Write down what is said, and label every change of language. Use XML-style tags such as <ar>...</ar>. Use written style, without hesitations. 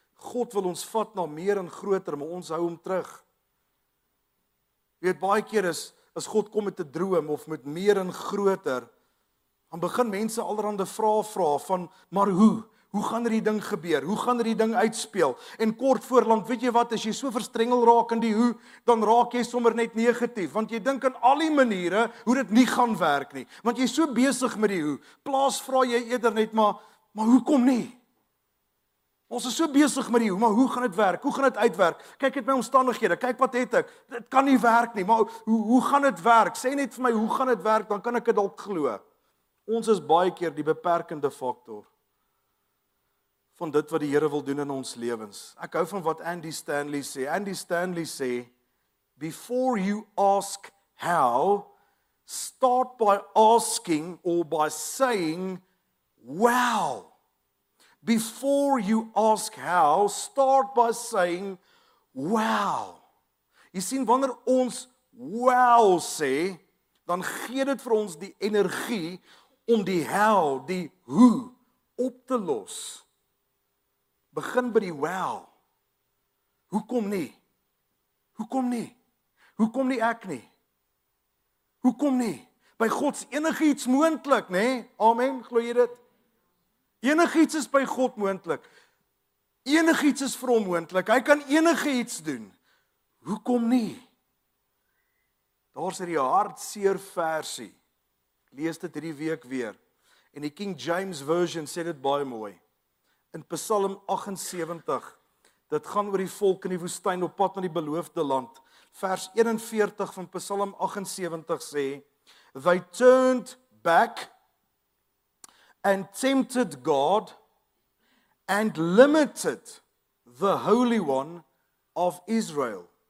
<af>God wil ons vat na meer en groter, maar ons hou hom terug. Weet, baie keer is God kom met 'n droom of met meer en groter, dan begin mense allerhande vra van, maar hoe? Hoe gaan hierdie ding gebeur? Hoe gaan hierdie ding uitspeel? En kort voor lank, weet jy wat, as jy so verstrengel raak in die hoe, dan raak jy sommer net negatief, want jy dink aan al die maniere hoe dit nie gaan werk nie, want jy is so besig met die hoe, plaas vra jy eerder net, maar hoe kom nie? Ons is so besig met die hoe, maar hoe gaan dit werk? Hoe gaan dit uitwerk? Kyk net my omstandighede, kyk wat het ek, dit kan nie werk nie, maar hoe gaan dit werk? Sê net vir my, hoe gaan dit werk, dan kan ek dit ook glo. Ons is baie keer die beperkende faktor van dit wat die Here wil doen in ons lewens. Ek hou van wat Andy Stanley sê.</af> <en>Andy Stanley sê, before you ask how, start by asking or by saying, wow. Before you ask how, start by saying, wow.</en> <af>Jy sien, wanneer ons wow sê, dan gee dit vir ons die energie om die how, die hoe, op te los. Begin by die wel. Hoekom nie? Hoekom nie? Hoekom nie ek nie? Hoekom nie? By God is enigiets moontlik, nê? Amen, glo jy dit? Enigiets is by God moontlik. Enigiets is vir hom moontlik. Hy kan enigiets doen. Hoekom nie? Daar's hierdie hartseer versie. Ek lees dit hierdie week weer. En die King James Version sê dit baie mooi. In Psalm 78, dit gaan oor die volk in die woestyn op pad na die beloofde land. Vers 41 van Psalm 78 sê,</af> <en>they turned back and tempted God and limited the Holy One of Israel.</en>